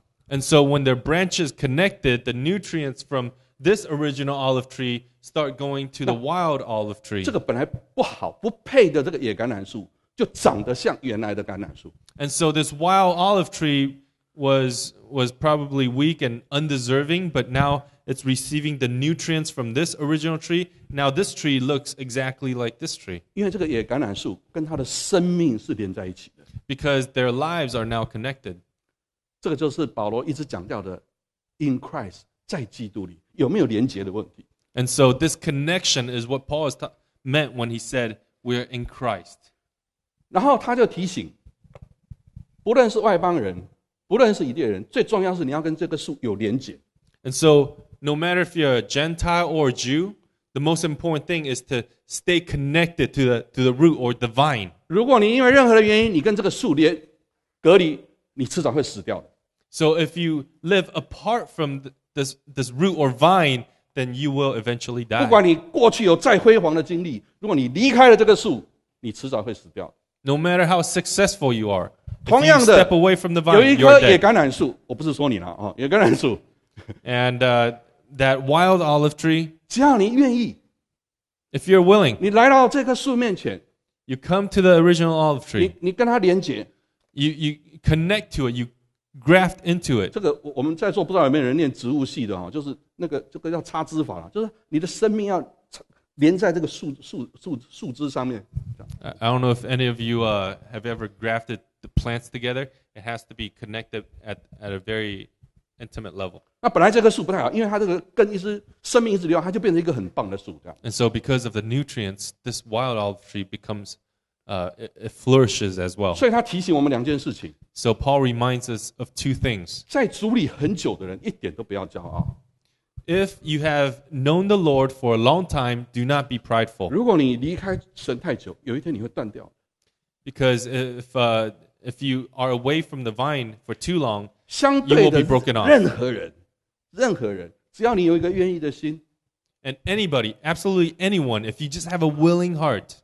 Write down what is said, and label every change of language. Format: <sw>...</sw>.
<en>And so when their branches connected, the nutrients from this original olive tree start going to the wild olive tree.</en> <zh>这个本来不好,不配的这个野橄榄树, 就长得像原来的橄榄树。</zh> <en>And so this wild olive tree was probably weak and undeserving, but now it's receiving the nutrients from this original tree. Now this tree looks exactly like this tree.</en> <zh>因为这个野橄榄树跟它的生命是连在一起的。</zh> <en>Because their lives are now connected.</en> <zh>这个就是保罗一直讲到的</zh> <en>in Christ,</en> <zh>在基督里, 有没有连结的问题。</zh> <en>And so this connection is what Paul meant when he said we're in Christ.</en> <zh>然后他就提醒, 不论是外邦人, 不论是以色列人, 最重要是你要跟这个树有连结。</zh> <en>And so no matter if you're a Gentile or a Jew, the most important thing is to stay connected to the root or the vine.</en> <zh>如果你因为任何的原因, 你跟这个树连隔离, 你迟早会死掉的。</zh> <en>So if you live apart from this root or vine, then you will eventually die.</en> <zh>不管你过去有再辉煌的经历, 如果你离开了这个树, 你迟早会死掉。</zh> <en>No matter how successful you are,</en> <zh>同样的,</zh> <en>if you step away from the vine, you're dead.</en> <zh>有一棵野橄榄树, 我不是说你了, 野橄榄树。</zh> <en>And that wild olive tree,</en> <zh>只要你愿意,</zh> <en>if you're willing,</en> <zh>你来到这棵树面前,</zh> <en>you come to the original olive tree,</en> <zh>你跟它连结,</zh> <en>you connect to it, you graft into it.</en> <zh>这个我们在座不知道有没有人念植物系的, 就是那个, 这个叫插枝法, 就是你的生命要连在这个树枝上面,</zh> <en>I don't know if any of you have ever grafted the plants together. It has to be connected at a very intimate level.</en> <zh>那本来这棵树不太好, 因为它这个根一直, 生命一直流, 它就变成一个很棒的树,</zh> <en>and so because of the nutrients, this wild olive tree becomes it flourishes as well.</en> <zh>所以它提醒我们两件事情,</zh> <en>so Paul reminds us of two things.</en> <zh>在主里很久的人一点都不要骄傲。</zh> <en>If you have known the Lord for a long time, do not be prideful.</en> <zh>如果你离开神太久,</zh> <en>because if you are away from the vine for too long,</en> <zh>相对的,</zh> <en>you will be broken off.</en> <zh>任何人,</zh> <en>and anybody, absolutely anyone, if you just have a willing heart,</en>